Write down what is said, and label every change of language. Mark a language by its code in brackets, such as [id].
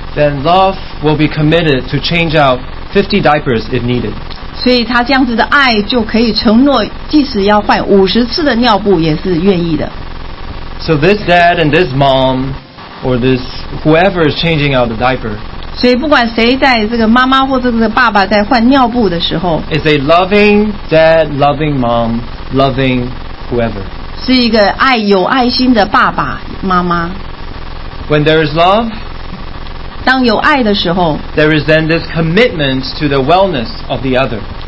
[en] Then love will be committed to change out 50 diapers if needed. [zh] 所以他这样子的爱就可以承诺，即使要换50次的尿布也是愿意的。 [en] So this dad and this mom, or this whoever is changing out the diaper. [zh] 所以不管谁在这个妈妈或者是爸爸在换尿布的时候， [en] is a loving dad, loving mom, loving whoever. [zh] 是一个爱有爱心的爸爸妈妈。 [en] When there is love, [zh] 当有爱的时候， [en] there is then this commitment to the wellness of the other.